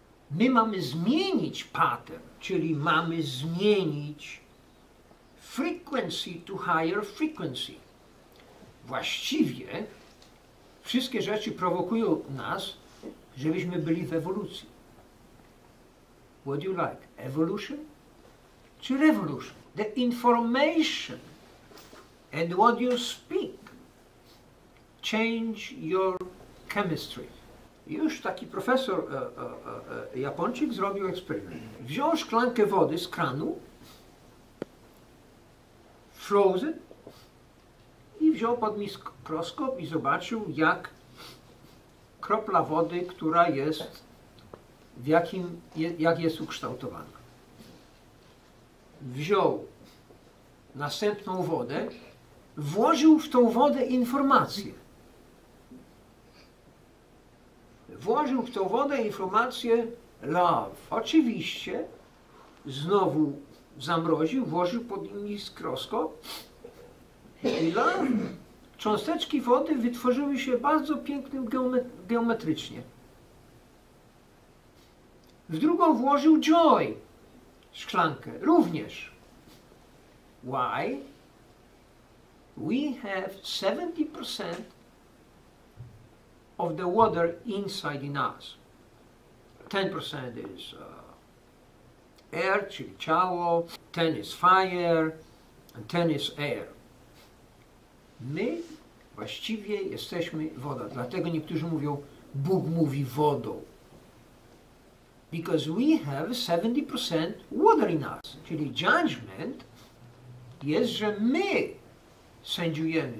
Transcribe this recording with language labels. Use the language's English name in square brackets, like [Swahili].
[Polish] My mamy zmienić pattern. Czyli mamy zmienić frequency [English] to higher frequency. [Polish] Właściwie wszystkie rzeczy prowokują nas, żebyśmy byli w ewolucji. [English] What do you like? Evolution czy revolution? The information and what you speak change your chemistry. [Polish] Już taki profesor Japończyk zrobił eksperyment. Wziął szklankę wody z kranu, frozen, i wziął pod mikroskop i zobaczył, jak kropla wody, która jest, w jakim, jak jest ukształtowana. Wziął następną wodę, włożył w tą wodę informację. Włożył w tą wodę informację love. Oczywiście znowu zamroził, włożył pod nim mikroskop i love. Cząsteczki wody wytworzyły się bardzo pięknym geometrycznie. W drugą włożył joy, szklankę, również. [English] Why? We have 70% of the water inside in us. 10% is air, [Polish] czyli ciało, [English] 10 is fire, and 10 is air. [Polish] My właściwie jesteśmy woda. Dlatego niektórzy mówią, Bóg mówi wodą. [English] Because we have 70% water in us. [Polish] Czyli judgment jest, że my sędziujemy.